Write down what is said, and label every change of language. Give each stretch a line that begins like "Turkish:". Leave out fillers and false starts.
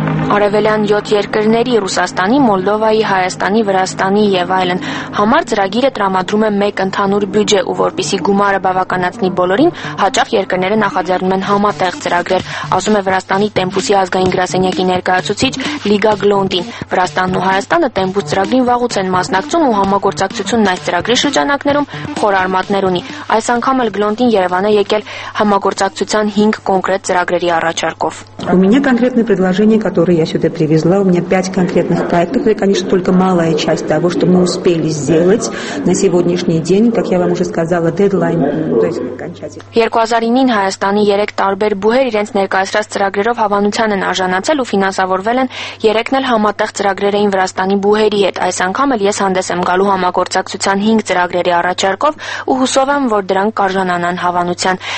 Armenian: Արևելյան 7 երկրների՝ Ռուսաստանի, Մոլդովայի, Հայաստանի, Վրաստանի եւ այլն համար ծրագիրը տրամադրում է մեկ ընդհանուր բյուջե, ու որպեսի գումարը բավականացնի բոլորին, հաճախ երկրները նախաձեռնում են համատեղ ծրագրեր, ասում է Վրաստանի Տեմպուսի ազգային գրասենյակի ներկայացուցիչ Լիգա Գլոնդին։ Վրաստանն ու Հայաստանը Տեմպուս ծրագրին վաղուց են մասնակցում ու համագործակցությունն այս ծրագրի շրջանակներում խոր արմատներ ունի։ Այս անգամ էլ Գլոնդին Երևան է եկել համագործակցության 5 կոնկրետ ծրագրերի առաջարկով։
Russian: У меня конкретные предложения, которые я сюда привезла. У меня 5 конкретных проектов. Это, конечно, только малая часть того, что мы успели сделать на сегодняшний день. Как я вам уже сказала, дедлайн, то есть окончательный.
Armenian: 2009-ին Հայաստանի 3 տարբեր բուհեր իրենց ներկայացրած ծրագրերով հավանության են արժանացել ու ֆինանսավորվել են 3-ն էլ համատեղ ծրագրերային Վրաստանի բուհերի հետ։ Այս անգամ էլ ես հանդես եմ գալու համագործակցության 5 ծրագրերի առաջարկով ու հուսով եմ, որ դրանք կարժանանան հավանության։